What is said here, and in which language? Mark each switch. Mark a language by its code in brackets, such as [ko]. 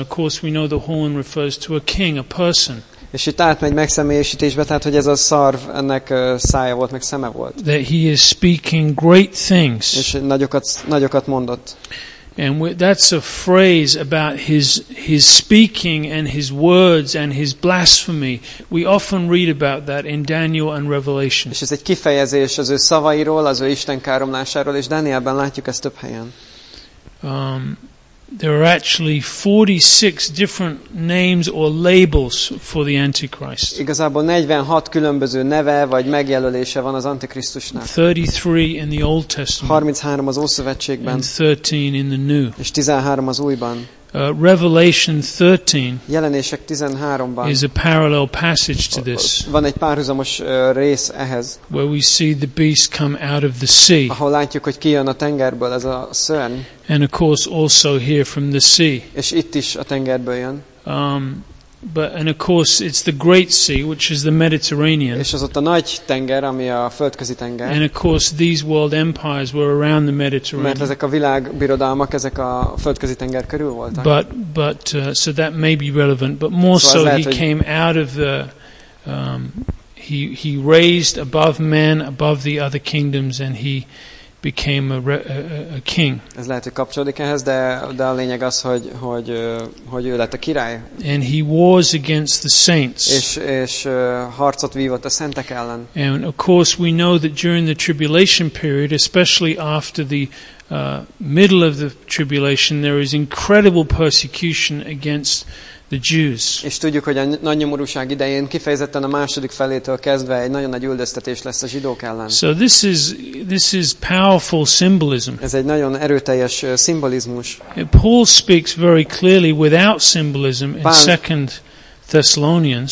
[en] Of course we know the horn refers to a king, a person. [hu] És itt átmegy megszemélyesítésbe, tehát hogy ez a szarv, ennek szája volt, meg szeme volt. [en] That he is speaking great things. [hu] És nagyokat mondott. [en] And that's a phrase about his speaking and his words and his blasphemy. We often read about that in Daniel and Revelation. [hu] És ez egy kifejezés az ő szavairól, az ő Isten káromlásáról, és Dánielben látjuk ezt több helyen. [en] There are actually 46 different names or labels for the Antichrist. [hu] Igazából 46 különböző neve vagy megjelölése van az Antikrisztusnak. [en] 33 in the Old Testament. [hu] 33 az Ószövetségben. [en] And 13 in the New. [hu] És 13 az Újban. [en] Revelation 13. [hu] Jelenések 13-ban. [en] Is a parallel passage to this. [hu] Van egy párhuzamos rész ehhez. [en] Where we see the beast come out of the sea. [hu] Ahol látjuk, hogy kijön a tengerből ez a szörn. [en] And of course also here from the sea. [hu] És itt is a tengerből jön. [en] And of course it's the great sea, which is the Mediterranean. [hu] És az ott a nagy tenger, ami a földközi tenger. [en] And of course these world empires were around the Mediterranean. [hu] Mert ezek a világbirodalmak, ezek a földközi tenger körül voltak. [en] But so that may be relevant, but more [hu] szóval [en] so [hu] lehet, [en] he came out of the he raised above men, above the other kingdoms, and he became a king. [hu] Ez lehet, hogy kapcsolódik ehhez, de a lényeg az, hogy ő lett a király. [en] And he wars against the saints. [hu] És harcot vívott a szentek ellen. [en] And of course we know that during the tribulation period, especially after the middle of the tribulation, there is incredible persecution against the Jews. [hu] És tudjuk, hogy a nagy nyomorúság idején kifejezetten a második felétől kezdve egy nagyon nagy üldöztetés lesz a zsidók ellen. [en] So this is powerful symbolism. [hu] Ez egy nagyon erőteljes szimbolizmus. [en] Paul speaks very clearly without symbolism in 2 Thessalonians.